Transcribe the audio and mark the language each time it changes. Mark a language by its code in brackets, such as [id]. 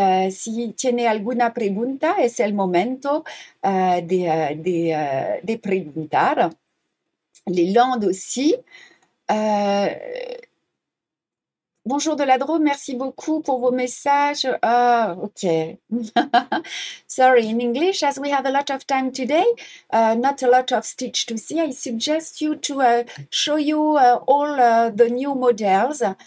[es] Si tiene alguna pregunta, es el momento de preguntar. [fr] Les Landes aussi. Bonjour de la Drôme, merci beaucoup pour vos messages. Ah, ok. [en] Sorry, in English, as we have a lot of time today, not a lot of stitch to see, I suggest you to show you all the new models.